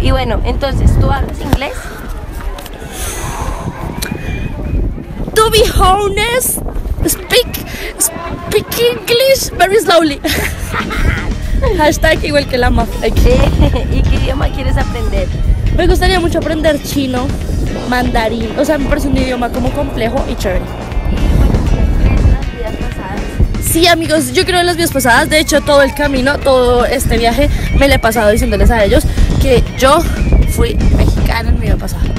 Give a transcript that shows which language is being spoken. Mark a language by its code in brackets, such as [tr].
[es] Y bueno, entonces, ¿tú hablas inglés? [en] To be honest, speak English very slowly. [es] Hashtag igual que la mafia. ¿Y qué idioma quieres aprender? Me gustaría mucho aprender chino, mandarín. O sea, me parece un idioma como complejo y chévere. ¿Y crees en las vidas pasadas? Sí, amigos, yo creo en las vidas pasadas. De hecho, todo el camino, todo este viaje, me lo he pasado diciéndoles a ellos que yo fui mexicana en mi vida pasada.